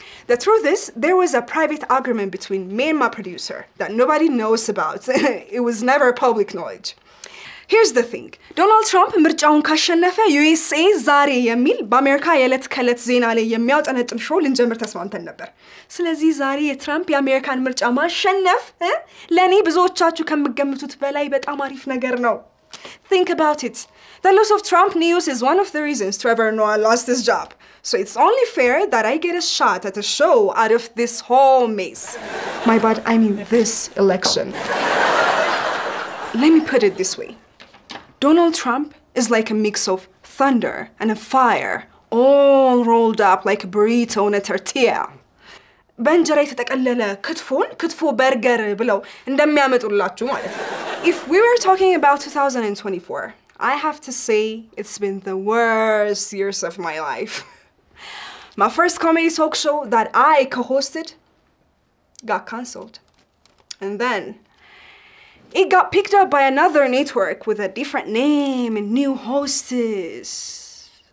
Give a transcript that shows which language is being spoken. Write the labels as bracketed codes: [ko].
[en] The truth is, there was a private agreement between me and my producer that nobody knows about. It was never public knowledge. Here's the thing. [am] Donald Trump ምርጫውን ካሸነፈ USA ዛሬ የሚል በአሜሪካ የለት ከለት ዜና ላይ የሚያጠነጥን ሾው ልንጀምር ተስማምተን ነበር። ስለዚህ ዛሬ የትራምፕ የአሜሪካን ምርጫ ማሸነፍ ለኔ ብዙዎቻችሁ ከመገምቱት በላይ በጣም አሪፍ ነገር ነው። [en] Think about it. The loss of Trump news is one of the reasons Trevor Noah lost his job. So it's only fair that I get a shot at a show out of this whole mess. My bad, I mean this election. Let me put it this way. Donald Trump is like a mix of thunder and a fire, all rolled up like a burrito in a tortilla. [am] በእንጀራ የተጠቀለለ ክትፎን ክትፎ በርገር ብለው እንደሚያመጡላችሁ ማለት ነው። [en] If we were talking about 2024, I have to say it's been the worst years of my life. My first comedy talk show that I co-hosted got canceled. And then it got picked up by another network with a different name and new hosts.